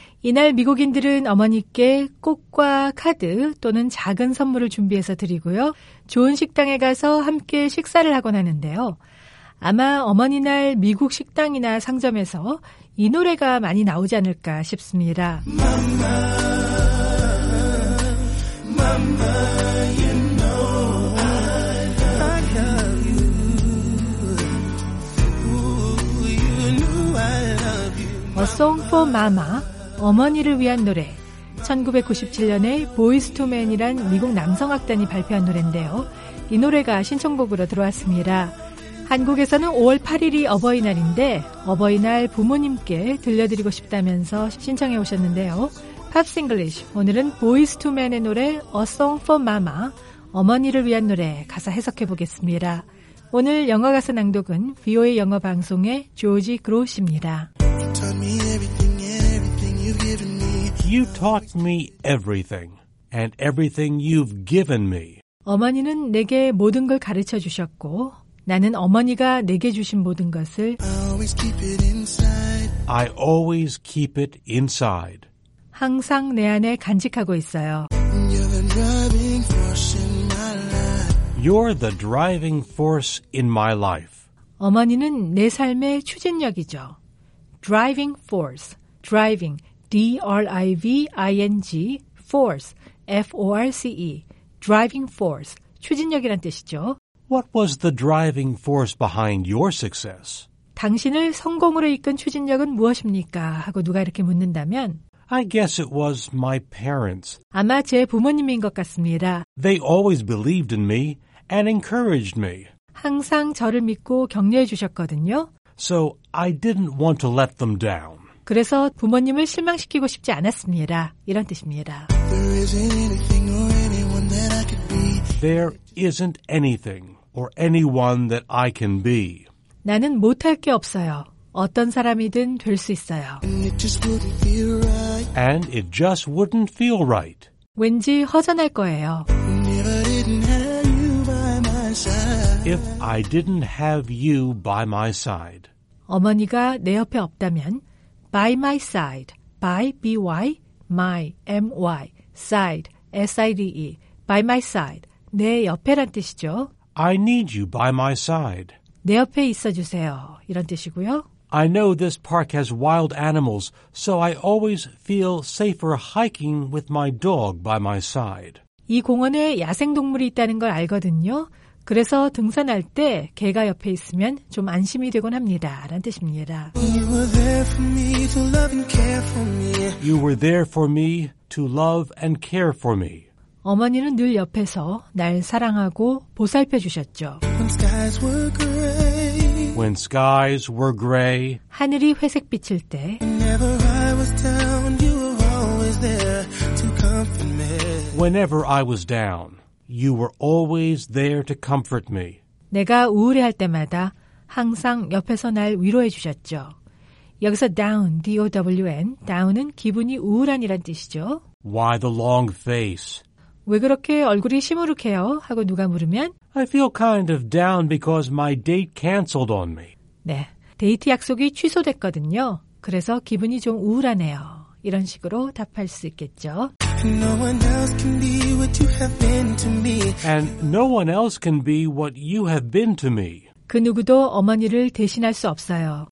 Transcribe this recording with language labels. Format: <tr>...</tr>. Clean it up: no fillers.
<ko>이날 미국인들은 어머니께 꽃과 카드 또는 작은 선물을 준비해서 드리고요. 좋은 식당에 가서 함께 식사를 하곤 하는데요. 아마 어머니날 미국 식당이나 상점에서 이 노래가 많이 나오지 않을까 싶습니다.</ko> <en>Mama, Mama, you know I love you. Ooh, you know I love you, A Song for Mama,</en> <ko>어머니를 위한 노래. 1997년에 Boys to Men이란 미국 남성악단이 발표한 노래인데요. 이 노래가 신청곡으로 들어왔습니다. 한국에서는 5월 8일이 어버이날인데 어버이날 부모님께 들려드리고 싶다면서 신청해 오셨는데요. Pops English, 오늘은 Boys to Men의 노래 A Song for Mama, 어머니를 위한 노래 가사 해석해 보겠습니다. 오늘 영어 가사 낭독은 VOA 영어 방송의 조지 그로우입니다.</ko> <en>You taught me everything and everything you've given me.</en> <ko>어머니는 내게 모든 걸 가르쳐 주셨고 나는 어머니가 내게 주신 모든 것을</ko> <en>I always keep it inside.</en> <ko>항상 내 안에 간직하고 있어요.</ko> <en>You're the driving force in my life.</en> <ko>어머니는 내 삶의 추진력이죠.</ko> <en>Driving force. Driving. D-R-I-V-I-N-G. Force. F-O-R-C-E. Driving force.</en> <ko>추진력이란 뜻이죠.</ko> <en>What was the driving force behind your success?</en> <ko>당신을 성공으로 이끈 추진력은 무엇입니까? 하고 누가 이렇게 묻는다면</ko> <en>I guess it was my parents.</en> <ko>아마 제 부모님인 것 같습니다.</ko> <en>They always believed in me and encouraged me.</en> <ko>항상 저를 믿고 격려해 주셨거든요.</ko> <en>So I didn't want to let them down.</en> <ko>그래서 부모님을 실망시키고 싶지 않았습니다. 이런 뜻입니다.</ko> <en>There isn't anything or anyone that I could be. There isn't anything or anyone that I can be.</en> <ko>나는 못할 게 없어요. 어떤 사람이든 될 수 있어요.</ko> <en>And it just wouldn't feel right.</en> <ko>왠지 허전할 거예요.</ko> <en>If I didn't have you by my side.</en> <ko>어머니가 내 옆에 없다면</ko> <en>by my side. by by my my side side by my side.</en> <ko>내 옆에란 뜻이죠.</ko> <en>I need you by my side.</en> <ko>내 옆에 있어주세요. 이런 뜻이고요.</ko> <en>I know this park has wild animals, so I always feel safer hiking with my dog by my side.</en> <ko>이 공원에 야생동물이 있다는 걸 알거든요. 그래서 등산할 때 개가 옆에 있으면 좀 안심이 되곤 합니다. 라는 뜻입니다.</ko> <en>You were there for me to love and care for me. You were there for me to love and care for me.</en> <ko>어머니는 늘 옆에서 날 사랑하고 보살펴 주셨죠.</ko> <en>When skies were gray, When skies were gray</en> <ko>하늘이 회색빛일 때</ko> <en>Whenever I was down, you were always there to comfort me. Whenever I was down, you were always there to comfort me.</en> <ko>내가 우울해할 때마다 항상 옆에서 날 위로해 주셨죠. 여기서 down, D-O-W-N, down은 기분이 우울한이란 뜻이죠.</ko> <en>Why the long face?</en> <ko>왜 그렇게 얼굴이 시무룩해요? 하고 누가 물으면</ko> <en>I feel kind of down because my date canceled on me.</en> <ko>네, 데이트 약속이 취소됐거든요. 그래서 기분이 좀 우울하네요. 이런 식으로 답할 수 있겠죠.</ko> <en>No one else can be what you have been to me. And no one else can be what you have been to me.</en> <ko>그 누구도 어머니를 대신할 수 없어요.</ko>